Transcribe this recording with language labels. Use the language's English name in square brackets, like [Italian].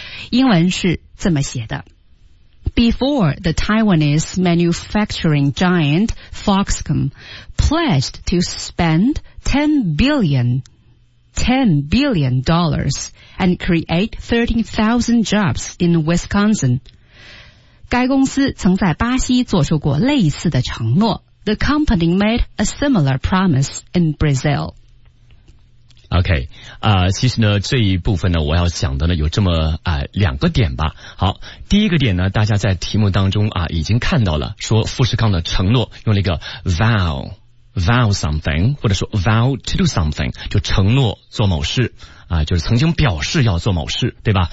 [Chinese] 英文是这么写的， [English] Before the Taiwanese manufacturing giant Foxconn pledged to spend $10 billion and create 13,000 jobs in Wisconsin. [Chinese] 该公司曾在巴西做出过类似的承诺。 [English] The company made a similar promise in Brazil. [Chinese] OK， 其实呢这一部分呢我要讲的呢有这么两个点吧。好，第一个点呢大家在题目当中啊已经看到了，说富士康的承诺用了一个 vow something， 或者说 vow to do something， 就承诺做某事啊，就是曾经表示要做某事，对吧？